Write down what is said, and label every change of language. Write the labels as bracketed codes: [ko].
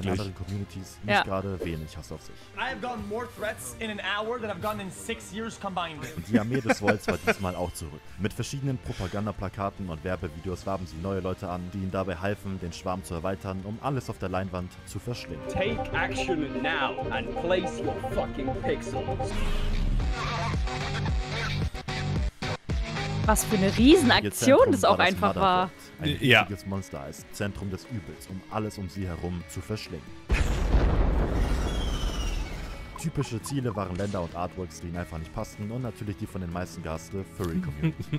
[de] Den anderen Communities nicht gerade wenig Hass auf sich. [en] I have gotten more threats in an hour than I've gotten in 6 years combined. [de] Und die Armee des Volts war diesmal auch zurück. Mit verschiedenen Propagandaplakaten und Werbevideos warben sie neue Leute an, die ihnen dabei halfen, den Schwarm zu erweitern, um alles auf der Leinwand zu verschlingen. [en] Take action now and place your fucking pixels. [de] Was für eine Riesenaktion das auch einfach war. Ein riesiges Monster als Zentrum des Übels, um alles um sie herum zu verschlingen. Typische Ziele waren Länder und Artworks, die ihnen einfach nicht passten, und natürlich die von den meisten Gaste Furry-Community.